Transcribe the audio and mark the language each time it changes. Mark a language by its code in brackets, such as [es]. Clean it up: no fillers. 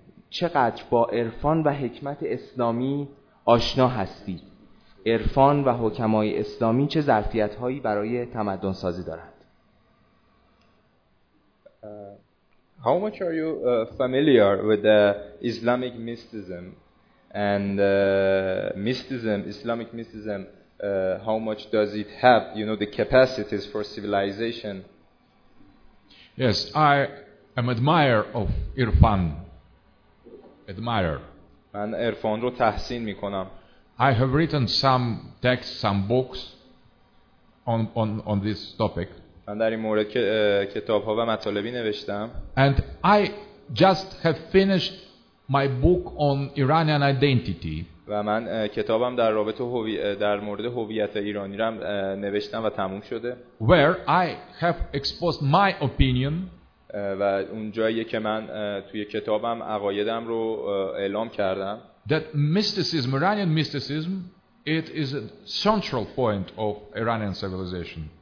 [fa] چقدر با عرفان و حکمت اسلامی آشنا هستی؟ عرفان و حکمای اسلامی چه ظرفیت هایی برای تمدن سازی دارند؟ [en] How much are you familiar with the Islamic mysticism and Islamic mysticism? How much does it have, you know, the capacities for civilization? Yes, I am admirer of Irfan. Admirer. [fa] من عرفان رو تحسین میکنم. [en] I have written some texts, some books on this topic. [fa] من در این مورد کتاب‌ها و مطالبی نوشتم. [en] And I just have finished my book on Iranian identity. [fa] و من کتابم در رابطه در مورد هویت ایرانی را نوشتم و تموم شده. [en] Where I have exposed my opinion. [fa] و اونجایی که من توی کتابم عقایدم رو اعلام کردم. [en] That mysticism, Iranian mysticism, it is a central point of Iranian civilization.